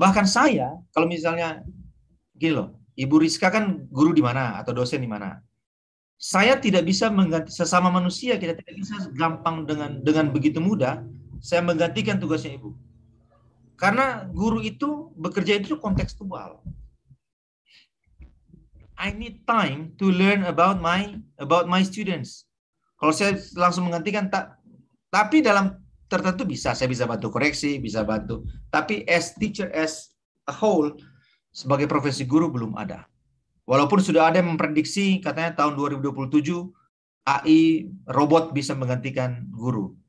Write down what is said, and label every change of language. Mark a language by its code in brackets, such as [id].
[id] Bahkan saya, kalau misalnya gini loh, Ibu Rizka kan guru di mana atau dosen di mana, saya tidak bisa mengganti sesama manusia, kita tidak bisa gampang dengan begitu mudah saya menggantikan tugasnya Ibu, karena guru itu bekerja itu kontekstual. [en] I need time to learn about my students. [id] Kalau saya langsung menggantikan tak, tapi dalam tertentu bisa, saya bisa bantu koreksi, bisa bantu. Tapi [en] as teacher, as a whole, [id] sebagai profesi guru belum ada. Walaupun sudah ada yang memprediksi, katanya tahun 2027, AI robot bisa menggantikan guru.